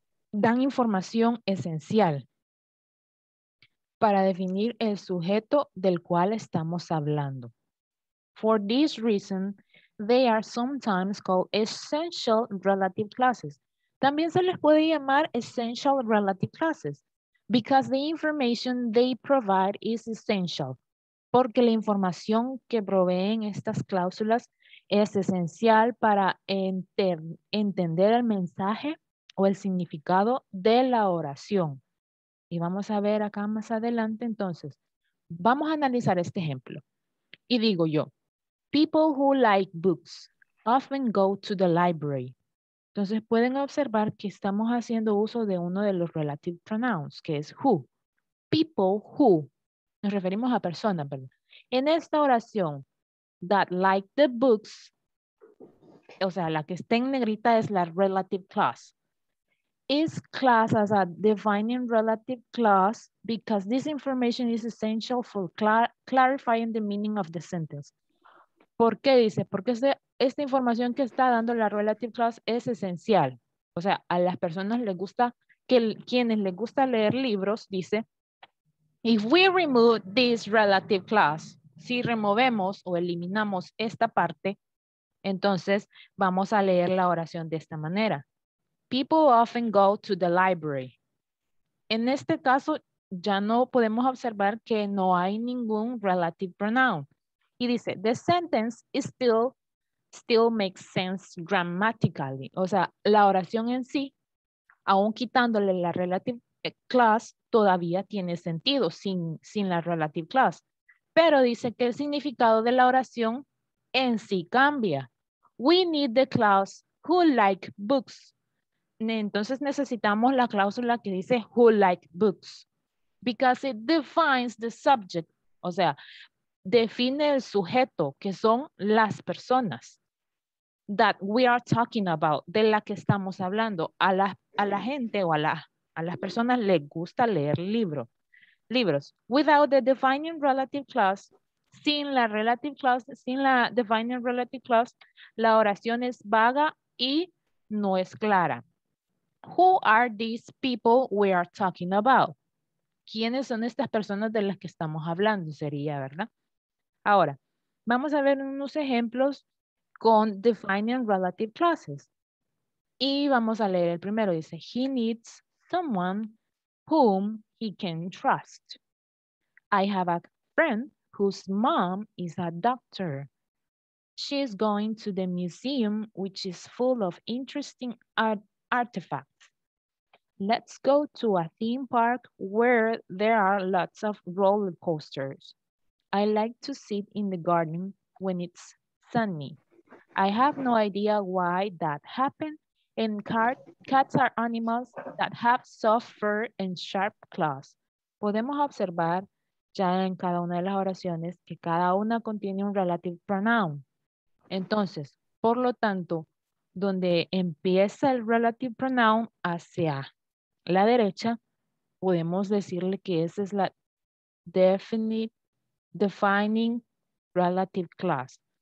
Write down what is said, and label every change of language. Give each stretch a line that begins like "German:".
Spanish: Dan información esencial para definir el sujeto del cual estamos hablando.
English: For this reason, they are sometimes called essential relative clauses.
Spanish: También se les puede llamar
English: essential relative clauses. Because the information they provide is essential.
Spanish: Porque la información que proveen estas cláusulas es esencial para entender el mensaje o el significado de la oración. Y vamos a ver acá más adelante. Entonces, vamos a analizar este ejemplo. Y digo yo,
English: people who like books often go to the library.
Spanish: Entonces pueden observar que estamos haciendo uso de uno de los relative pronouns, que es who.
English: People who.
Spanish: Nos referimos a personas, ¿verdad? En esta oración,
English: that like the books,
Spanish: o sea, la que está en negrita es la relative clause.
English: Is class as a defining relative clause because this information is essential for clarifying the meaning of the sentence.
Spanish: ¿Por qué dice? Porque esta información que está dando la relative clause es esencial. O sea, a las personas les gusta, quienes les gusta leer libros, dice,
English: if we remove this relative clause,
Spanish: si removemos o eliminamos esta parte, entonces vamos a leer la oración de esta manera.
English: People often go to the library.
Spanish: En este caso, ya no podemos observar que no hay ningún relative pronoun. Y dice,
English: the sentence is still makes sense grammatically.
Spanish: O sea, la oración en sí, aun quitándole la relative clause, todavía tiene sentido sin la relative clause. Pero dice que el significado de la oración en sí cambia.
English: We need the clause who like books.
Spanish: Entonces necesitamos la cláusula que dice who like books,
English: because it defines the subject,
Spanish: o sea, define el sujeto, que son las personas
English: that we are talking about,
Spanish: de la que estamos hablando. A la gente o a las personas les gusta leer libros. Without the defining relative clause, sin la defining relative clause, la oración es vaga y no es clara.
English: Who are these people we are talking about?
Spanish: ¿Quiénes son estas personas de las que estamos hablando? Sería, ¿verdad? Ahora, vamos a ver unos ejemplos con defining relative clauses. Y vamos a leer el primero. Dice,
English: he needs someone whom he can trust. I have a friend whose mom is a doctor. She is going to the museum, which is full of interesting artifacts. Let's go to a theme park where there are lots of roller coasters. I like to sit in the garden when it's sunny. I have no idea why that happened. And cats are animals that have soft fur and sharp claws.
Spanish: Podemos observar ya en cada una de las oraciones que cada una contiene un relative pronoun. Entonces, por lo tanto, donde empieza el relative pronoun hacia la derecha, podemos decirle que esa es la defining relative clause.